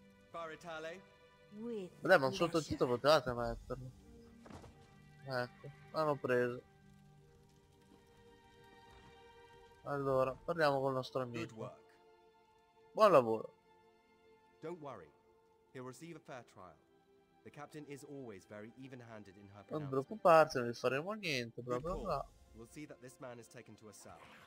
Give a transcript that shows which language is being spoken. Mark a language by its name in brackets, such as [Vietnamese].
[Italian] Vabbè, ma un sottotitolo potevate metterlo. Ecco, l'hanno preso. Allora, parliamo con il nostro amico. Buon lavoro. [English] Don't worry. He'll receive a fair trial. The captain is always very even-handed in her pronouncement. [Italian] Non preoccuparti, non gli faremo niente, bla bla bla. [English] We'll see that this man is taken to a cell.